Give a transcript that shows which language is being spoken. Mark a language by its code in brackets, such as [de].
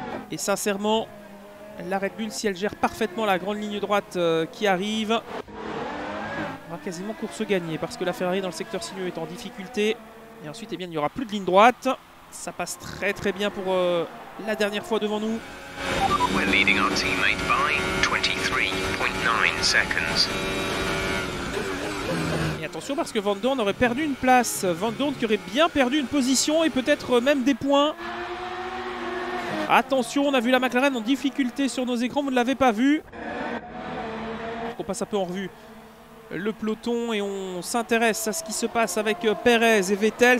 [fr] Et sincèrement, la Red Bull, si elle gère parfaitement la grande ligne droite qui arrive, on va quasiment course gagnée parce que la Ferrari dans le secteur sinueux est en difficulté. Et ensuite, eh bien, il n'y aura plus de ligne droite. Ça passe très très bien pour la dernière fois devant nous. [en] We're leading our teammate by 23.9 seconds. [fr] Et attention parce que Van Dorn aurait perdu une place. Van Dorn qui aurait bien perdu une position et peut-être même des points. Attention, on a vu la McLaren en difficulté sur nos écrans, vous ne l'avez pas vu. On passe un peu en revue le peloton et on s'intéresse à ce qui se passe avec Perez et Vettel.